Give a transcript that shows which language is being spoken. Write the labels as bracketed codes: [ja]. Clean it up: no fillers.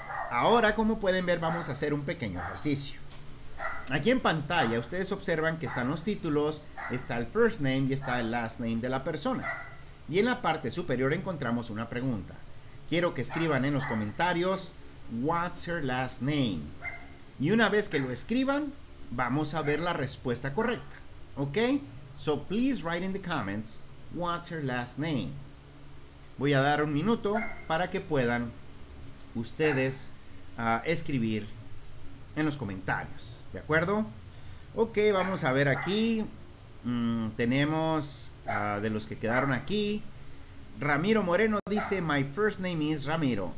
[es] Ahora, como pueden ver, vamos a hacer un pequeño ejercicio. Aquí en pantalla, ustedes observan que están los títulos, está el first name y está el last name de la persona. Y en la parte superior encontramos una pregunta. Quiero que escriban en los comentarios, [en] what's her last name? [es] Y una vez que lo escriban, vamos a ver la respuesta correcta. Ok. [en] So, please write in the comments, what's her last name? [es] Voy a dar un minuto para que puedan ustedes escribir en los comentarios, ¿de acuerdo? Ok, vamos a ver aquí. Tenemos de los que quedaron aquí. Ramiro Moreno dice, [en] my first name is Ramiro.